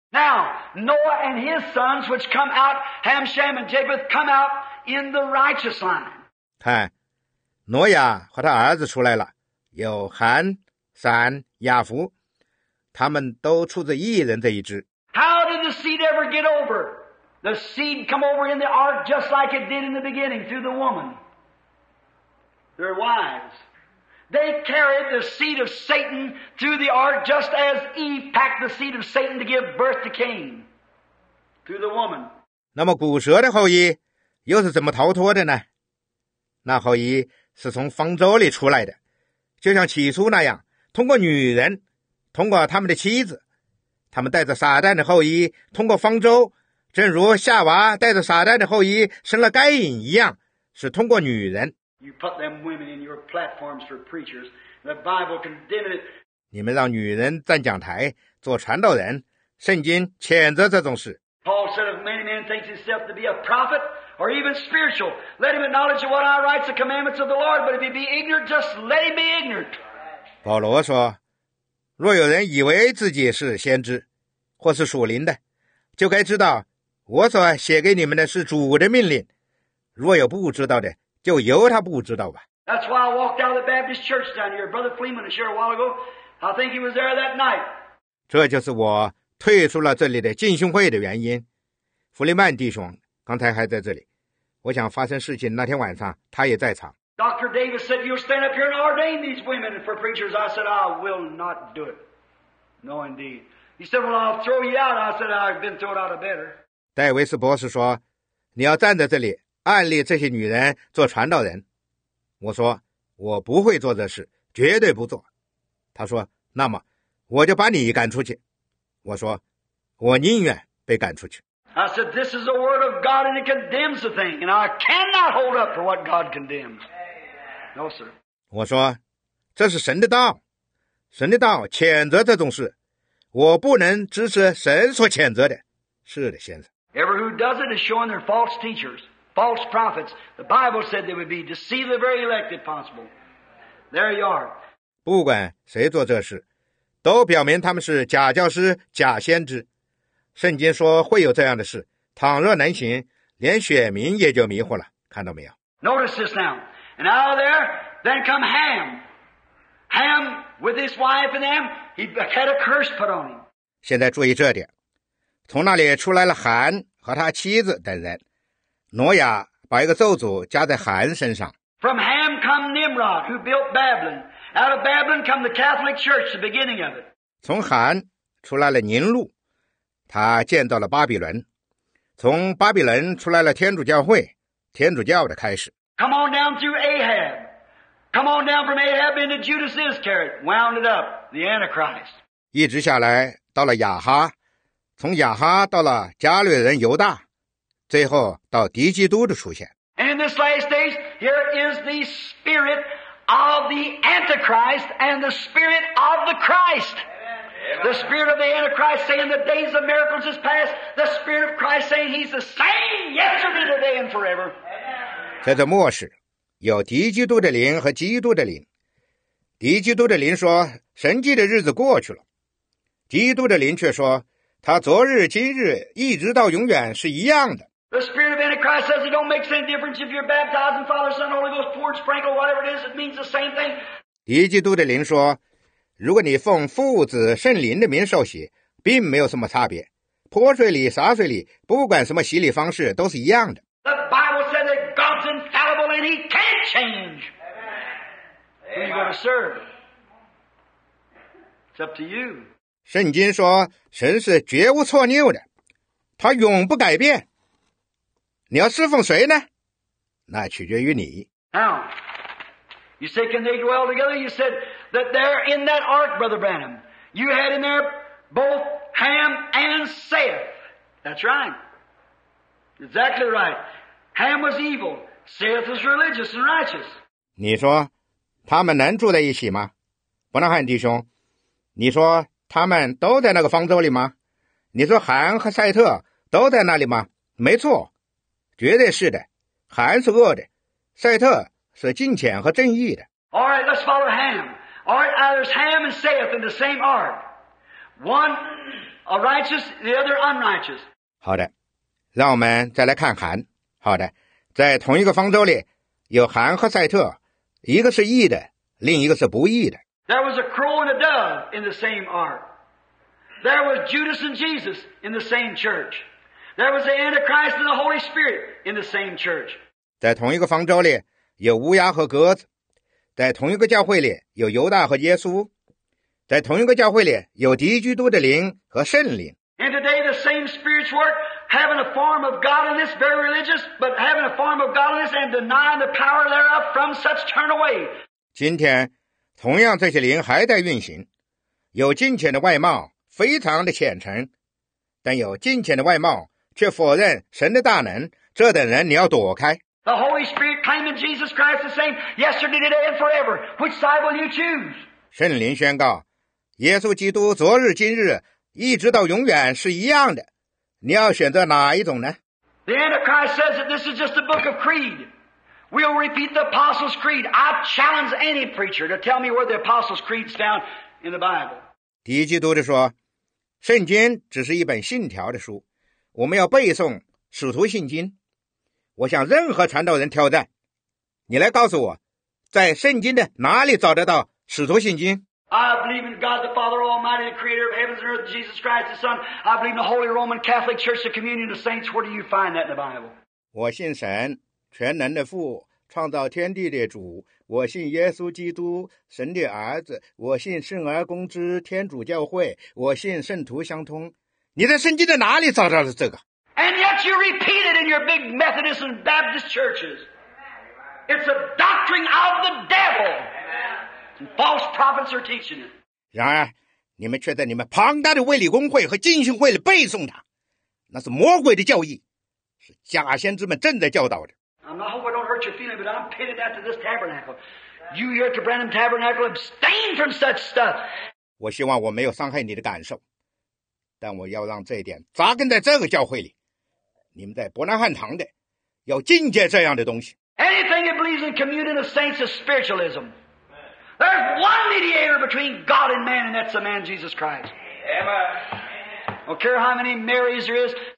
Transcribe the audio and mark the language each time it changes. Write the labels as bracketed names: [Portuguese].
[English] Now, Noah and his sons, which come out, Ham, Shem, and Japheth, come out in the righteous line. [Chinese] 看，挪亚和他儿子出来了，有韩、闪、雅弗，他们都出自义人这一支。 [English] How did the seed ever get over? The seed come over in the ark just like it did in the beginning through the woman. Their wives. They carried the seed of Satan through the ark just as Eve packed the seed of Satan to give birth to Cain through the woman. [Chinese] 那么古蛇的后裔又是怎么逃脱的呢？那后裔是从方舟里出来的，就像起初那样，通过女人，通过他们的妻子，他们带着撒旦的后裔通过方舟，正如夏娃带着撒旦的后裔生了该隐一样，是通过女人。 [English] You put them women in your platforms for preachers. The Bible condemned it. [Chinese] 你们让女人站讲台做传道人，圣经谴责这种事。 [English] Paul said, if many men think himself to be a prophet or even spiritual, let him acknowledge what I write, the commandments of the Lord. But if he be ignorant, just let him be ignorant. [Chinese] 保罗说，若有人以为自己是先知，或是属灵的，就该知道我所写给你们的是主的命令。若有不知道的，就由他不知道吧。 [English] That's why I walked out of the Baptist church down here. Brother Fleeman was here a while ago. I think he was there that night. [Chinese] 这就是我退出了这里的浸信会的原因。弗利曼弟兄刚才还在这里。我想发生事情那天晚上他也在场。 [English] Dr. Davis said, you'll stand up here and ordain these women for preachers. I said, I will not do it. No, indeed. He said, well, I'll throw you out. I said, I've been thrown out of better. [Chinese] 戴维斯博士说，你要站在这里案例这些女人做传道人，我说我不会做这事，绝对不做。他说，那么我就把你赶出去。我说，我宁愿被赶出去。 [English] I said, this is the word of God and it condemns the thing, and I cannot hold up for what God condemns. No, sir. [Chinese] 我说，这是神的道，神的道谴责这种事，我不能支持神所谴责的。是的，先生。 [English] Everyone who does it is showing their false teachers. False prophets. The Bible said they would be deceived the very elect if possible. There you are. [Chinese] 不管谁做这事，都表明他们是假教师、假先知。圣经说会有这样的事，倘若能行，连选民也就迷惑了。看到没有？ [English] Notice this now. And out of there, then come Ham. Ham with his wife and them, he had a curse put on him. [Chinese] 现在注意这点，从那里出来了韩和他妻子等人。挪亚把一个咒诅加在韩身上。 [English] From Ham come Nimrod, who built Babylon. Out of Babylon come the Catholic Church, the beginning of it. [Chinese] 从韩出来了宁禄，他建造了巴比伦。从巴比伦出来了天主教会，天主教的开始。 [English] Come on down through Ahab. Come on down from Ahab into Judas Iscariot, wound it up, the Antichrist. [Chinese] 一直下来到了雅哈，从雅哈到了加略人犹大。最后到敌基督的出现。 [English] And in this last days, here is the spirit of the Antichrist and the spirit of the Christ. Amen. The spirit of the Antichrist saying the days of miracles is past. The spirit of Christ saying he's the same yesterday, today, and forever. [Chinese] 在这末世，有敌基督的灵和基督的灵。敌基督的灵说神迹的日子过去了。基督的灵却说，他昨日今日一直到永远是一样的。 [English] The spirit of Antichrist says it don't make any difference if you're baptized in Father, Son, Holy Ghost, poured, sprinkled, whatever it is, it means the same thing. [Chinese] 敌基督的灵说，如果你奉父子圣灵的名受洗，并没有什么差别，泼水里洒水里，不管什么洗礼方式都是一样的。 [English] The Bible says that God's infallible and he can't change. Who are you going to serve? It's up to you. [Chinese] 圣经说神是绝无错谬的，他永不改变。你要侍奉谁呢？那取决于你。 [English] Now, you say, can they dwell together? You said that there in that ark, Brother Branham, you had in there both Ham and Seth. That's right. Exactly right. Ham was evil. Seth was religious and righteous. [Chinese] 你说他们能住在一起吗？伯纳罕弟兄，你说他们都在那个方舟里吗？你说韩和赛特都在那里吗？没错。绝对是的，韩是恶的，赛特是敬虔和正义的。 [English] All right, let's follow Ham. All right, there's Ham and Seth in the same ark. One a righteous, the other unrighteous. [Chinese] 好的，让我们再来看韩。好的，在同一个方舟里有韩和赛特，一个是义的，另一个是不义的。 [English] There was a crow and a dove in the same ark. There was Judas and Jesus in the same church. There was the Antichrist and the Holy Spirit in the same church. [Chinese] 在同一个方舟里有乌鸦和鸽子，在同一个教会里有犹大和耶稣，在同一个教会里有敌基督的灵和圣灵。 [English] And today the same spirits work, having a form of godliness, very religious, but having a form of godliness and denying the power thereof from such turn away. [Chinese] 今天，同样这些灵还在运行，有敬虔的外貌，非常的虔诚，但有敬虔的外貌。却否认神的大能，这等人你要躲开。 [English] The Holy Spirit claiming Jesus Christ the same yesterday, today, and forever. Which side will you choose? [Chinese] 圣灵宣告，耶稣基督昨日、今日、一直到永远是一样的。你要选择哪一种呢？ [English] The Antichrist says that this is just a book of creed. We'll repeat the Apostles' Creed. I challenge any preacher to tell me where the Apostles' Creed's found in the Bible. [Chinese] 敌基督的说，圣经只是一本信条的书。我们要背诵使徒信经，我向任何传道人挑战，你来告诉我，在圣经的哪里找得到使徒信经？ [English] I believe in God the Father Almighty, the Creator of heavens and earth, Jesus Christ the Son. I believe in the Holy Roman Catholic Church, the communion of saints. Where do you find that in the Bible? [Chinese] 我信神，全能的父，创造天地的主。我信耶稣基督，神的儿子。我信圣而公之天主教会。我信圣徒相通。你在圣经的哪里找到了这个？ [English] And yet you repeat it in your big Methodist and Baptist churches. It's a doctrine of the devil. False prophets are teaching it. [Chinese] 然而，你们却在你们庞大的卫理公会和浸信会里背诵它，那是魔鬼的教义，是假先知们正在教导的。 [English] I hope I don't hurt your feeling, but I'm pitted that to this tabernacle. You here at the Branham Tabernacle abstain from such stuff. [Chinese] 我希望我没有伤害你的感受。但我要让这一点扎根在这个教会里，你们在伯南汉堂的要禁戒这样的东西。 [English] Anything that believes in communion of saints is spiritualism. There's one mediator between God and man, and that's the man Jesus Christ. Amen. Don't care how many Marys there is.